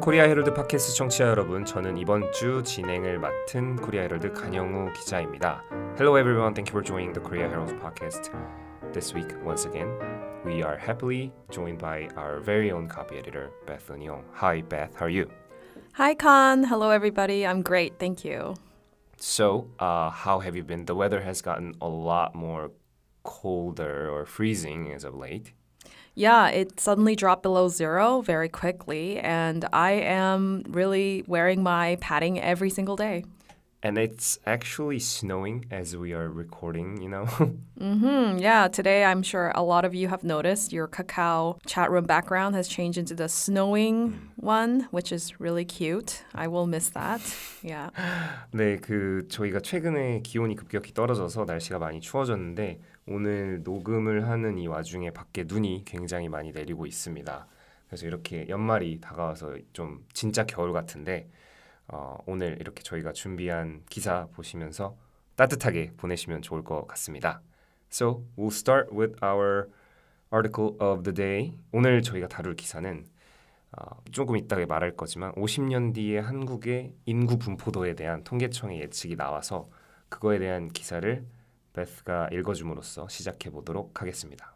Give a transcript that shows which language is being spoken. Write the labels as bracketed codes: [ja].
[ko] 코리아 헤럴드 팟캐스트 청취자 여러분, 저는 이번 주 진행을 맡은 코리아 헤럴드 강영우 기자입니다. [en] Hello everyone. Thank you for joining the Korea Herald podcast. This week, once again, we are happily joined by our very own copy editor, Beth Leung. Hi, Beth. How are you? Hi, Khan. Hello, everybody. I'm great. Thank you. So, how have you been? The weather has gotten a lot more colder or freezing as of late. Yeah, it suddenly dropped below zero very quickly, and I am really wearing my padding every single day. And it's actually snowing as we are recording, you know? Mm-hmm. Yeah, today I'm sure a lot of you have noticed your Kakao chat room background has changed into the snowing one, which is really cute. I will miss that. Yeah. [ko] 네, 그 저희가 최근에 기온이 급격히 떨어져서 날씨가 많이 추워졌는데 오늘 녹음을 하는 이 와중에 밖에 눈이 굉장히 많이 내리고 있습니다. 그래서 이렇게 연말이 다가와서 좀 진짜 겨울 같은데 오늘 이렇게 저희가 준비한 기사 보시면서 따뜻하게 보내시면 좋을 것 같습니다. [en] So, we'll start with our article of the day. [ko] 오늘 저희가 다룰 기사는 조금 이따가 말할 거지만 50년 뒤에 한국의 인구 분포도에 대한 통계청의 예측이 나와서 그거에 대한 기사를 Beth가 읽어줌으로써 시작해 보도록 하겠습니다.